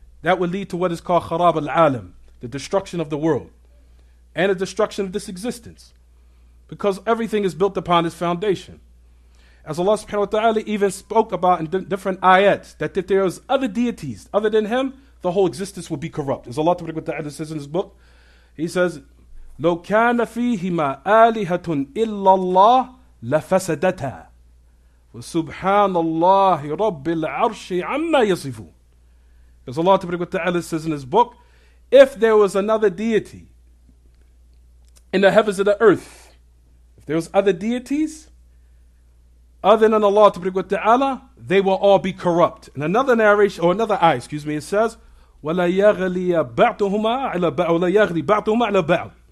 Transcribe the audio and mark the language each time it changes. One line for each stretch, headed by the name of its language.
English: That would lead to what is called kharab al-alam, the destruction of the world, and a destruction of this existence, because everything is built upon this foundation. As Allah subhanahu wa ta'ala even spoke about in different ayats, that if there is other deities other than Him, the whole existence will be corrupt. As Allah subhanahu wa ta'ala says in His book, He says,
Arabic: لو كان فيهما آلهة إلا الله لفسدتا وسبحان الله رب العرش عما يصفون.
English: As Allah subhanahu wa ta'ala says in His book, if there was another deity in the heavens of the earth, if there was other deities other than Allah subhanahu wa ta'ala, they will all be corrupt. In another narration, or another ayah, excuse me, it says,
Arabic: وَلَا يَغْلِي بَعْتُهُمَا عَلَى بَعْضٍ.